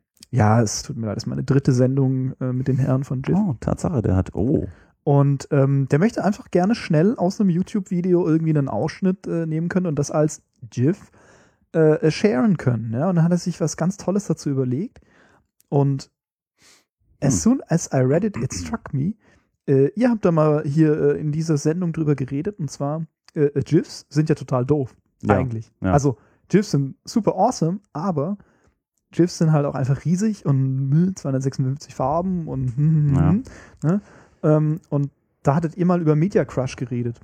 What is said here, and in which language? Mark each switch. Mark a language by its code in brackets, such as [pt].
[de] Ja, es tut mir leid, das ist meine dritte Sendung mit den Herren von GIF. Oh, Tatsache, der hat, oh. Und der möchte einfach gerne schnell aus einem YouTube-Video irgendwie einen Ausschnitt nehmen können und das als GIF sharen können. Ja? Und dann hat er sich was ganz Tolles dazu überlegt. Und [en] as soon as I read it, it struck me. [de] Ihr habt da mal hier in dieser Sendung drüber geredet und zwar GIFs sind ja total doof, ja, eigentlich. Ja. Also GIFs sind super awesome, aber GIFs sind halt auch einfach riesig und 256 Farben und und da hattet ihr mal über Media Crush geredet.